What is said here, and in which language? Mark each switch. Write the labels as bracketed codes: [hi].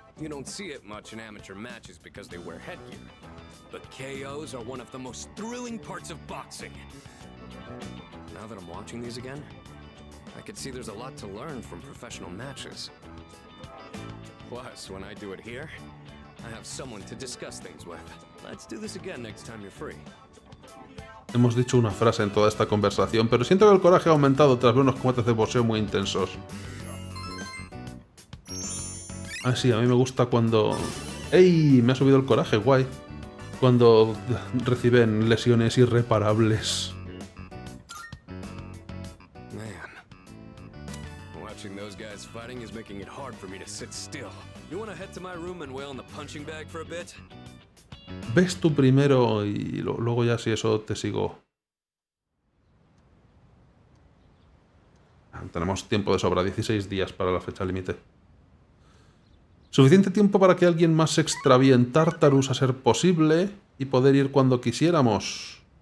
[en] You don't see it much in amateur matches because they wear headgear. But KOs are one of the most thrilling parts of boxing. Now that I'm watching these again, I could see there's a lot to learn from professional matches. Plus, when I do it here, I have someone to discuss things with. Let's do this again next time you're free. [es] Hemos dicho una frase en toda esta conversación, pero siento que el coraje ha aumentado tras ver unos combates de boxeo muy intensos. Ah, sí, a mí me gusta cuando... ¡Ey! Me ha subido el coraje, guay. Cuando reciben lesiones irreparables. [en] Man. Watching those guys fighting is making it hard for me to sit still. You want to head to my room and wail in the punching bag for a bit? [es] Ves tú primero y luego ya si eso te sigo. Tenemos tiempo de sobra, 16 días para la fecha límite. Suficiente tiempo para que alguien más se extravíe en Tartarus a ser posible y poder ir cuando quisiéramos.